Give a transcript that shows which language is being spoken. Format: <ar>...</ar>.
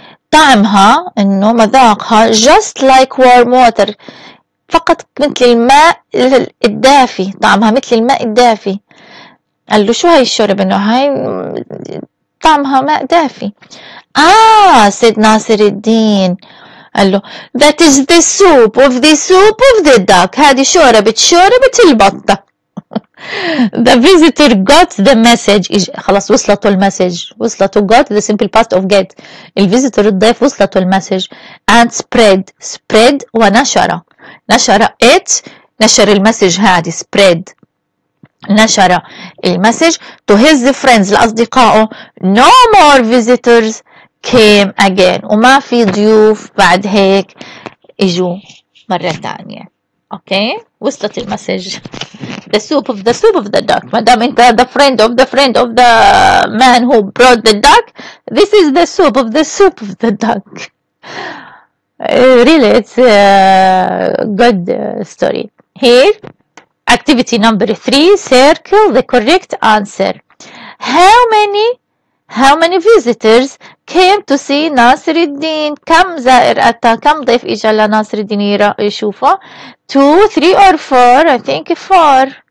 <ar>طعمها, إنه مذاقها,</ar> <en>just like warm water,</en> <ar>فقط مثل الماء الدافي, طعمها مثل الماء الدافي. قال له, شو هاي الشوربة؟ إنه هاي طعمها ماء دافي.</ar> <en>said Nasr al-Din.</en> <ar>قال له,</ar> <en>that is the soup of the soup of the duck.</en> <ar>هذه شوربة, شوربة البطة.</ar> <en>The visitor got the message.</en> <ar>خلاص وصلته المسج. وصلته,</ar> <en>got, the simple past of get.</en> <ar>الفيزيتور, الضيف, وصلته المسج.</ar> <en>And spread,</en> <ar>ونشر. نشر it, نشر المسج هذه, spread. نشر المسج</ar> <en>to his friends,</en> <ar>لأصدقائه.</ar> <en>No more visitors came again.</en> <ar>وما في ضيوف بعد هيك اجوا مرة تانية.</ar> <en>Okay,</en> <ar>وصلت المسج.</ar> <en>The soup of the duck.</en> <ar>مدام انت</ar> <en>the friend of the man who brought the duck, this is the soup of the duck. Really, it's a good story. Here, activity number 3, circle the correct answer. How many visitors came to see Nasr al-Din?</en> <ar>كم زائر أتى, كم ضيف إجا لناصر الدين يشوفه؟ 2, 3, or 4,</ar> <en>I think 4.</en>